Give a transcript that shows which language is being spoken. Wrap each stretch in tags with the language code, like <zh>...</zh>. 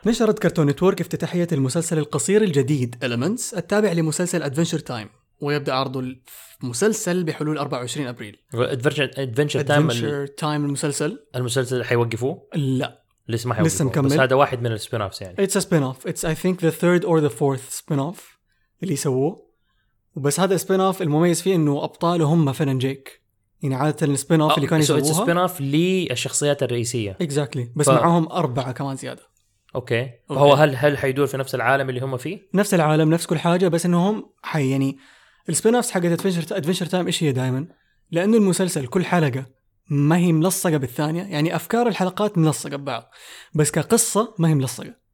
<ar>نشرت كرتون نتورك افتتاحية المسلسل القصير الجديد Elements التابع لمسلسل Adventure Time، ويبدأ عرض المسلسل بحلول 24 أبريل. Adventure Time المسلسل حيوقفوه؟ لا لسه ما حيوقفوه، لسه مكمل. بس هذا واحد من السبينوفس يعني.</ar> <en>It's a spin-off. It's I think the third or the fourth spin-off</en> <ar>اللي يسووه. وبس هذا spin-off المميز فيه انه أبطاله هم فين جيك. يعني عادة السبين-off اللي كان يسووها سبين-off للشخصيات الرئيسية.</ar> <en>Exactly.</en> <ar>بس معهم أربعة كمان زيادة. أوكي. أوكي. هو هل حيدور في نفس العالم اللي هم فيه؟ نفس العالم، نفس كل حاجة، بس إنهم حي يعني السبين-offs حقت Adventure Time إيش هي دائما؟ لأنه المسلسل كل حلقة ما هي ملصقة بالثانية، يعني أفكار الحلقات ملصقة ببعض، بس كقصة ما هي ملصقة.</ar>